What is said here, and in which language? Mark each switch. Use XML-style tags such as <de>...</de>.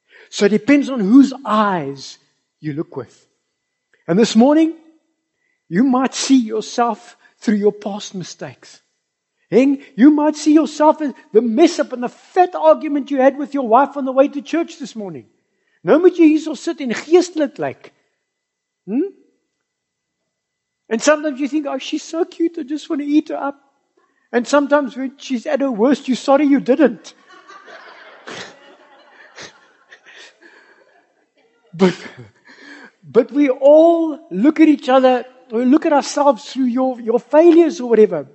<en>So it depends on whose eyes you look with. And this morning, you might see yourself through your past mistakes. And you might see yourself as the mess up and the fat argument you had with your wife on the way to church this morning.</en> <af>No moet jy hierso sit en geestelik lyk.</af> <en>And sometimes you think, oh, she's so cute, I just want to eat her up. And sometimes when she's at her worst, you're sorry you didn't. But we all look at each other. We look at ourselves through your failures or whatever.</en>